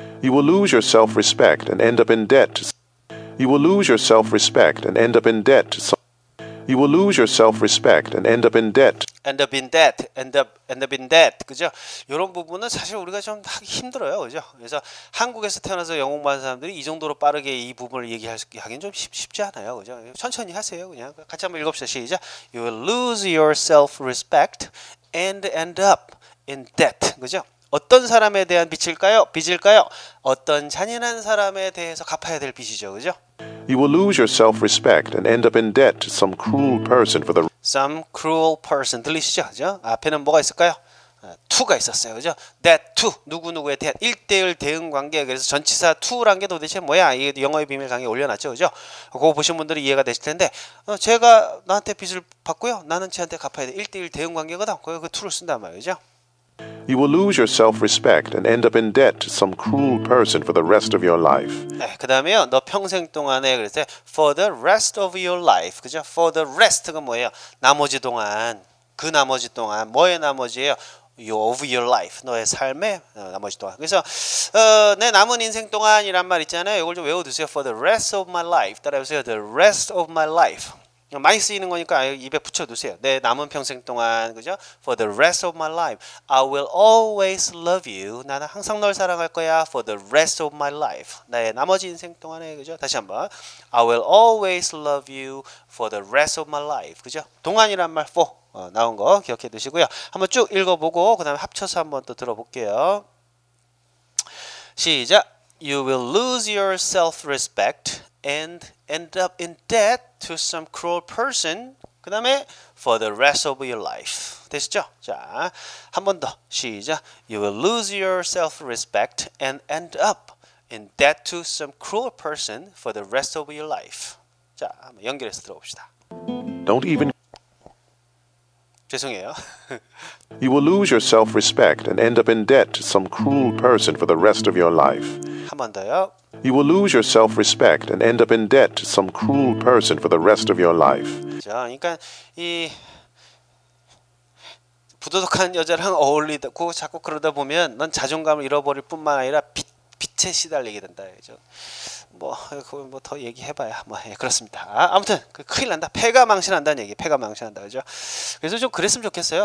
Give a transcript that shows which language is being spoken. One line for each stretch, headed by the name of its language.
English: You will lose your self-respect and end up in debt. You will lose your self-respect and end up in debt. You will lose your self-respect and end up in debt. End up in debt. End up in debt.
Korean: 그죠? 이런 부분은 사실 우리가 좀 하기 힘들어요. 그죠? 그래서 한국에서 태어나서 영어 공부한 사람들이 이 정도로 빠르게 이 부분을 얘기하기는 좀 쉽지 않아요. 그죠? 천천히 하세요. 그냥 같이 한번 읽읍시다. 시작.
English: You will lose your self-respect and end up in debt.
Korean: 그죠? 어떤 사람에 대한 빚일까요? 빚일까요? 어떤 잔인한 사람에 대해서 갚아야 될 빚이죠. 그죠?
English: You will lose your self-respect and end up in debt to some cruel person for the some cruel person
Korean: 들리시죠? 그죠? 앞에는 뭐가 있을까요? to가 있었어요. 그죠? that to 누구누구에 대한 1대1 대응 관계. 그래서 전치사 to란 게 도대체 뭐야? 이게 영어의 비밀 강의에 올려놨죠. 그죠? 그거 보신 분들이 이해가 되실 텐데 제가 나한테 빚을 받고요. 나는 쟤한테 갚아야 돼. 1대1 대응 관계거든. 그거 그 to를 쓴단 말이죠.
English: You will lose your self-respect and end up in debt to some cruel person for the rest of your life.
Korean: 네, 그다음에요. 너 평생 동안에 그랬대.
English: For the rest of your life.
Korean: 그죠?
English: For the rest
Korean: 가 뭐예요? 나머지 동안. 그 나머지 동안 뭐의 나머지예요?
English: Of your life.
Korean: 너의 삶의 나머지 동안. 그래서 내 남은 인생 동안이란 말 있잖아요. 이걸 좀 외워 두세요.
English: For the rest of my life.
Korean: 따라해보세요.
English: The rest of my life.
Korean: 많이 쓰이는 거니까 입에 붙여두세요. 내 남은 평생 동안, 그죠?
English: For the rest of my life, I will always love you.
Korean: 나는 항상 널 사랑할 거야.
English: For the rest of my life.
Korean: 나의 나머지 인생 동안에, 그죠? 다시 한 번.
English: I will always love you for the rest of my life.
Korean: 그죠? 동안이란 말 for 나온 거 기억해 두시고요. 한번 쭉 읽어보고 그 다음에 합쳐서 한번 또 들어볼게요. 시작!
English: You will lose your self-respect and end up in debt to some cruel person.
Korean: 그 다음에
English: for the rest of your life.
Korean: 됐죠? 자, 한 번 더. 시작.
English: You will lose your self-respect and end up in debt to some cruel person for the rest of your life.
Korean: 자, 한번 연결해서 들어봅시다.
English: Don't even
Korean: 죄송해요.
English: You will lose your self-respect and end up in debt to some cruel person for the rest of your life.
Korean: 한 번 더요.
English: You will lose your self-respect and end up in debt to some cruel person for the rest of your life.
Korean: 자, 그러니까 이 부도덕한 여자랑 어울리고 자꾸 그러다 보면 넌 자존감을 잃어버릴 뿐만 아니라 빛에 시달리게 된다. 뭐 더 얘기해봐야 뭐 예, 그렇습니다. 아무튼 큰일 난다. 패가망신한다는 얘기. 패가망신한다, 그죠? 그래서 좀 그랬으면 좋겠어요.